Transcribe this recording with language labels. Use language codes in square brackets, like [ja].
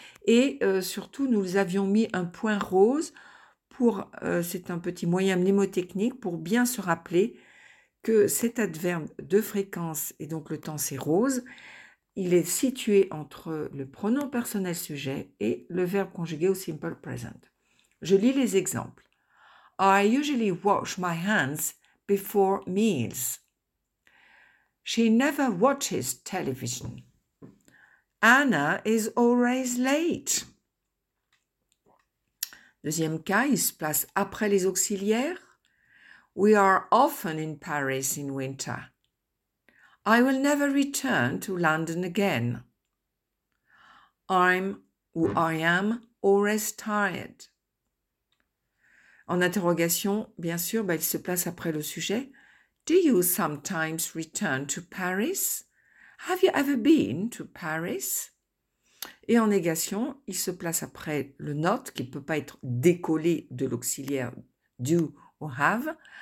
[fr] Et surtout, nous avions mis un point rose. C'est un petit moyen mnémotechnique pour bien se rappeler que cet adverbe de fréquence, et donc le temps c'est rose, il est situé entre le pronom personnel sujet et le verbe conjugué au simple present. Je lis les exemples. [en] I usually wash my hands before meals. She never watches television. Anna is always late. [fr] Deuxième cas, il se place après les auxiliaires. [en] We are often in Paris in winter. I will never return to London again. I am always tired. [fr] En interrogation, bien sûr, il se place après le sujet. [en] Do you sometimes return to Paris? Have you ever been to Paris? [fr] Et en négation, il se place après le not qui ne peut pas être décollé de l'auxiliaire do ou have.